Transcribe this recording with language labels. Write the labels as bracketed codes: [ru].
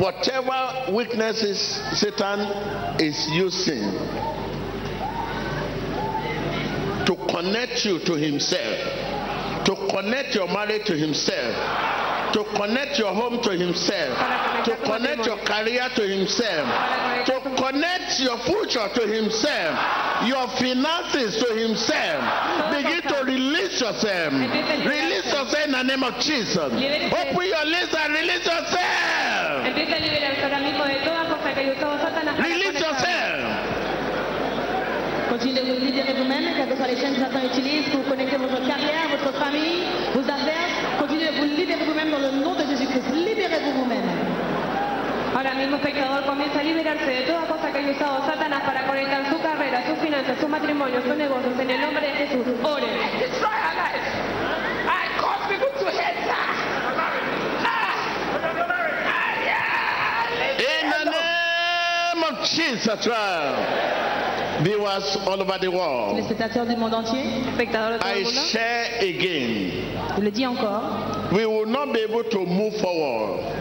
[en] Whatever weaknesses Satan is using to connect you to himself, to connect your marriage to himself, to connect your home to himself, to connect your career to himself, to connect your future to himself, your finances to himself. Begin to release yourself. Release yourself in the name of Jesus. Open your lips and release yourself. Release yourself. [fr] Continuez de vous libérer vous-même, quelles que soient les chaînes que Satan utilise pour connecter votre carrière, votre famille, vos affaires. Continuez de vous libérer vous-même dans le nom de Jésus-Christ. Libérez-vous vous-même. [es] Ahora mismo, pecador, comienza a liberarse de toda cosa que haya usado Satanás para conectar su carrera, sus finanzas, su matrimonio, sus negocios. En el nombre de Jesús, ore. [en] In the name of Jesus Christ. Viewers all over the world. [fr] Les spectateurs du monde entier, spectateurs de tout le monde. [en] I share again. [fr] Je le dis encore. [en] We will not be able to move forward.